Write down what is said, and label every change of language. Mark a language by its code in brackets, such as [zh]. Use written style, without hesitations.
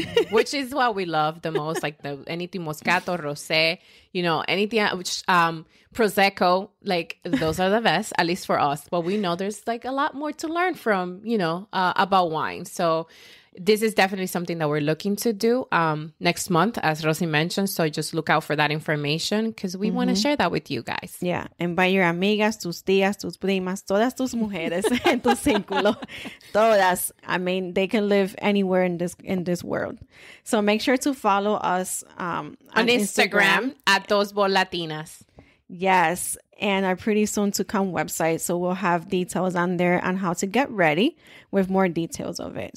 [en] Which is what we love the most, like the anything Moscato, Rosé, you know, anything, which Prosecco, like those are the best, at least for us. But we know there's like a lot more to learn from, you know, about wine. So this is definitely something that we're looking to do next month, as Rosie mentioned. So just look out for that information because we want to share that with you guys. Yeah. Invite your [es] amigas, tus tías, tus primas, todas tus mujeres en tu círculo. Todas. [en] I mean, they can live anywhere in this world. So make sure to follow us on Instagram at Dos Bol Latinas. Yes, and our pretty soon to come website. So we'll have details on there on how to get ready with more details of it.